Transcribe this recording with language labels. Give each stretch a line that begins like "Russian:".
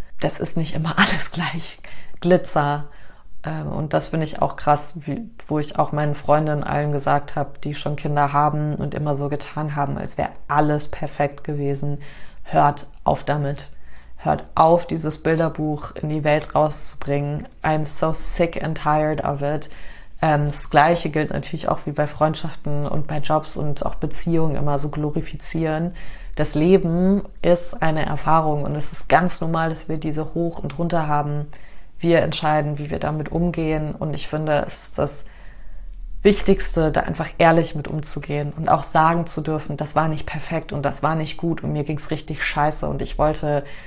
German: Das ist nicht immer alles gleich Glitzer. Und das finde ich auch krass, wo ich auch meinen Freundinnen allen gesagt habe, die schon Kinder haben und immer so getan haben, als wäre alles perfekt gewesen. Hört auf damit. Hört auf, dieses Bilderbuch in die Welt rauszubringen.
English: I'm so sick and tired of it.
German: Das Gleiche gilt natürlich auch wie bei Freundschaften und bei Jobs und auch Beziehungen immer so glorifizieren. Das Leben ist eine Erfahrung und es ist ganz normal, dass wir diese hoch und runter haben. Wir entscheiden, wie wir damit umgehen. Und ich finde, es ist das Wichtigste, da einfach ehrlich mit umzugehen und auch sagen zu dürfen, das war nicht perfekt und das war nicht gut und mir ging es richtig scheiße und ich wollte.